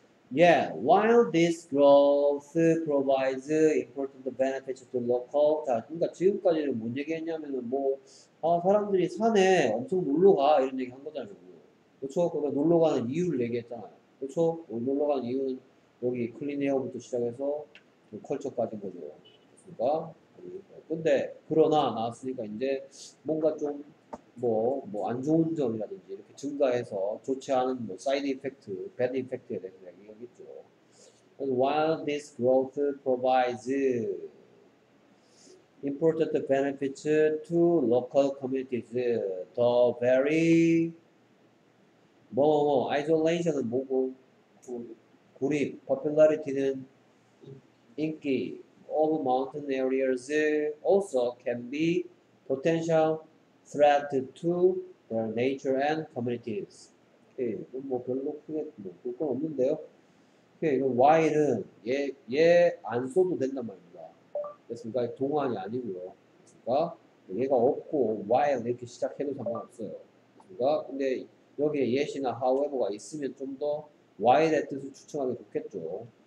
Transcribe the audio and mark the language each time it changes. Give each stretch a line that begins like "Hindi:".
English: Yeah, while this growth provides important benefits to local.
Korean: 자, 그러니까 지금까지는 뭔 얘기했냐면은 뭐 아, 사람들이 산에 엄청 놀러 가 이런 얘기 한 거잖아요. 그렇죠? 그러니까 놀러 가는 이유를 얘기했잖아요. 그렇죠? 놀러 간 이유는 여기 클린웨어부터 시작해서 컬처까지인 거죠. 그러니까 근데 그러나 나왔으니까 이제 뭔가 좀 뭐 안 좋은 점이라든지 이렇게 증가해서 좋지 않은 뭐 사이드 이펙트, 배드 이펙트에 대한 이야기가 있죠.
English: While this growth provides important benefits to local communities, the very 뭐 isolation은
Korean: 뭐고 고립,
English: popularity는 인기 of mountain areas also can be potential threat to their nature and communities.
Korean: 오케이, 이건 뭐 별로 크게 볼 건 없는데요. 오케이, 이건 while은 얘 안 써도 된단 말입니다. 됐습니까? 동안이 아니고요. 됐습니까? 얘가 없고 while 이렇게 시작해도 상관없어요. 됐습니까? 근데 여기에 yes이나 however가 있으면 좀 더 while의 뜻을 추천하기 좋겠죠.